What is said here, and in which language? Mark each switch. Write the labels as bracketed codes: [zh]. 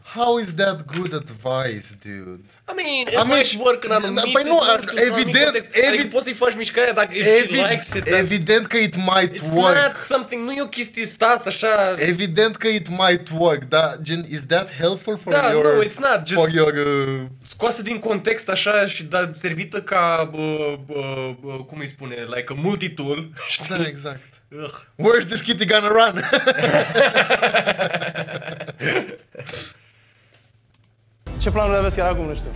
[en] How is that good advice, dude? I mean, it might work in an anumit. [ro] Păi nu, evident, adică poți să-i faci mișcarea dacă [en] likes it. [ro] Evident că [en] it might it's work. It's not something, [ro] nu e o chestie stas, așa. Evident că [en] it might work, [ro] dar gen, [en] is that helpful for your... [ro] Da, nu, [en] it's not, just for your, [ro] scoasă din context așa și da, servită ca, cum îi spune, [en] like a multi-tool. [ro] Da, exact. [en] Ugh. Where's this kitty gonna run? [ro] Ce planul aveți chiar acum, nu știu?